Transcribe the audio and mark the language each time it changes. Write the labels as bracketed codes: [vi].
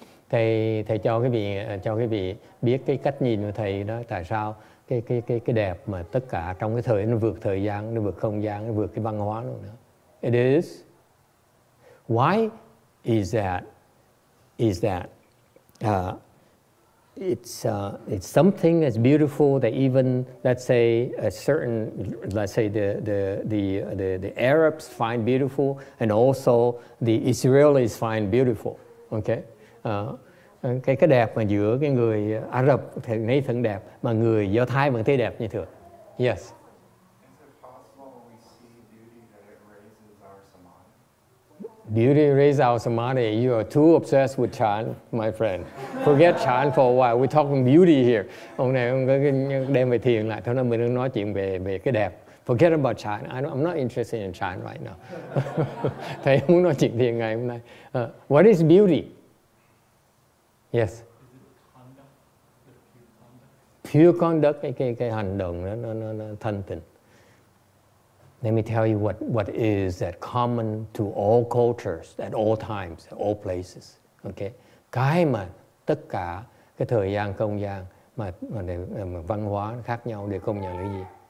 [vi] Thầy cho quý vị biết cái cách nhìn của thầy đó, tại sao cái đẹp mà tất cả trong cái thời, nó vượt thời gian, nó vượt không gian, nó vượt cái văn hóa luôn đó. [en] It is, why is that, it's something that's beautiful that even let's say the Arabs find beautiful and also the Israelis find beautiful, okay? [vi] Cái đẹp mà giữa cái người Ả Rập thì thấy thân đẹp mà người Do Thái vẫn thấy đẹp như thường. [en] Yes. Is it possible we see beauty that it raises our samadhi? Beauty raises our samadhi. You are too obsessed with Chan, my friend. Forget Chan for a while. We're talking beauty here. [vi] Hôm nay ông có đem về thiền lại. Thế nên mình đang nói chuyện về cái đẹp. [en] Forget about Chan. I'm not interested in Chan right now. [vi] Thầy muốn nói chuyện thiền ngày hôm nay. [en] What is beauty? Yes. Is it conduct? Pure conduct. Pure conduct, [vi] cái hành động đó, nó thanh tịnh. [en] Let me tell you what is that common to all cultures, at all times, at all places. Okay. [vi] Cái mà tất cả cái thời gian không gian mà văn hóa khác nhau để công nhận là gì?